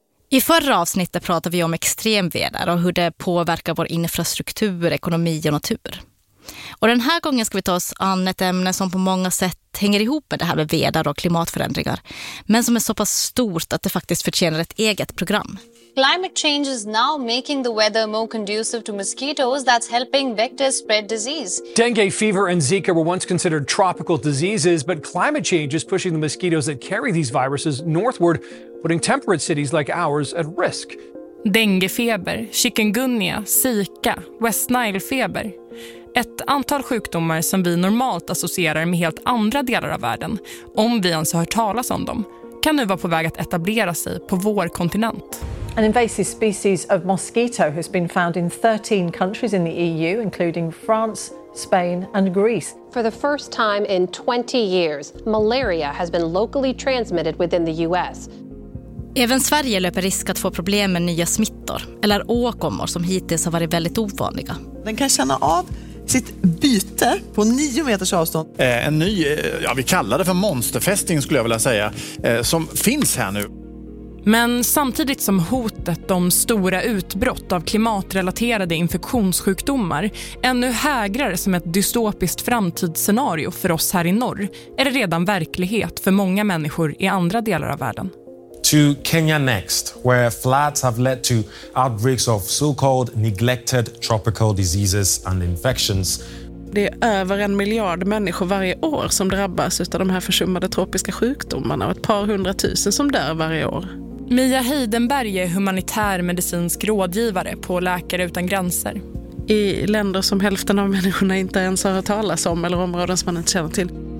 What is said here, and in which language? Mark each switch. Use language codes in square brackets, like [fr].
[sv] I förra avsnittet pratade vi om extremväder och hur det påverkar vår infrastruktur, ekonomi och natur. Och den här gången ska vi ta oss an ett ämne som på många sätt hänger ihop med det här med väder och klimatförändringar, men som är så pass stort att det faktiskt förtjänar ett eget program. [en] Climate change is now making the weather more conducive to mosquitoes, that's helping vectors spread disease. Dengue fever and Zika were once considered tropical diseases, but climate change is pushing the mosquitoes that carry these viruses northward, putting temperate cities like ours at risk. [sv] Denguefeber, chikungunya, Zika, West Nile-feber. Ett antal sjukdomar som vi normalt associerar med helt andra delar av världen, om vi ens har hört talas om dem, kan nu vara på väg att etablera sig på vår kontinent. [en] An invasive species of mosquito has been found in 13 countries in the EU, including France, Spain and Greece. For the first time in 20 years, malaria has been locally transmitted within the US. [sv] Även Sverige löper risk att få problem med nya smittor eller åkommor som hittills har varit väldigt ovanliga. Den kan känna av sitt byte på 9 meters avstånd. En ny, ja, vi kallar det för monsterfästing skulle jag vilja säga, som finns här nu. Men samtidigt som hotet om stora utbrott av klimatrelaterade infektionssjukdomar ännu hägrar som ett dystopiskt framtidsscenario för oss här i norr, är det redan verklighet för många människor i andra delar av världen. [en] To Kenya next, where floods have led to outbreaks of so-called neglected tropical diseases and infections. [sv] Det är över 1 miljard människor varje år som drabbas av de här försummade tropiska sjukdomarna och ett par hundratusen som dör varje år. Mia Heidenberg är humanitär medicinsk rådgivare på Läkare utan gränser. I länder som hälften av människorna inte ens har hört talas om eller områden som man inte känner till.